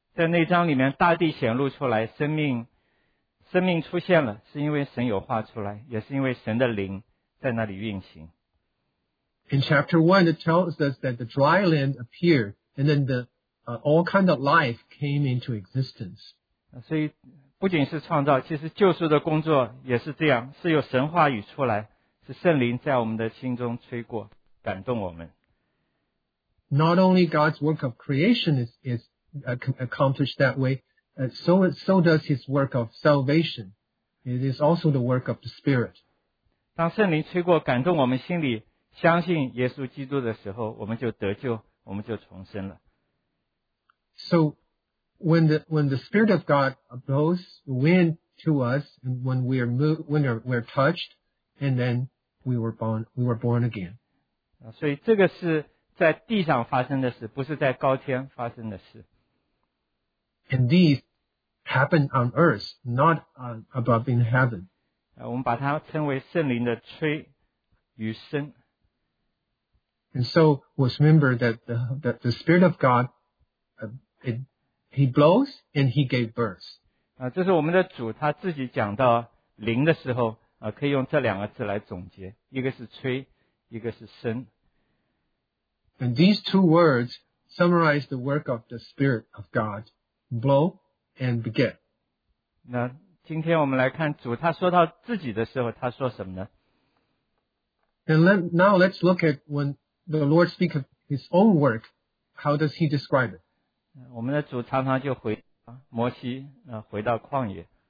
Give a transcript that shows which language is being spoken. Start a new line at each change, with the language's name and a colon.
Chinese: 在那章里面大地显露出来，生命出现了，是因为神有话出来，也是因为神的灵在那里运行。
English: In chapter 1, it tells us that the dry land appeared, and then all kind of life came into existence.
Chinese: 所以不仅是创造，其实救赎的工作也是这样，是有神话语出来，是圣灵在我们的心中吹过，感动我们。
English: Not only God's work of creation is accomplished that way, so does his work of salvation. It is also the work of the Spirit.
Chinese: 当圣灵吹过，感动我们心里相信耶稣基督的时候，我们就得救，我们就重生了。
English: So when the Spirit of God blows wind to us, and when we are moved, when we're touched, and then we were born again.
Chinese: 所以这个是在地上发生的事，不是在高天发生的事。
English: And these happen on earth, not above in heaven.
Chinese: 我们把它称为圣灵的吹与声。
English: And so, let's remember that the Spirit of God, He blows and He gave birth.
Chinese: 这是我们的主他自己讲到灵的时候，可以用这两个字来总结，一个是吹，一个是生。
English: And these two words summarize the work of the Spirit of God, blow and beget.
Chinese: 那今天我们来看主他说到自己的时候，他说什么呢？
English: And now let's look at when the Lord speaks of His own work. How does He describe it?
Chinese: 我们的主常常就回摩西，回到旷野。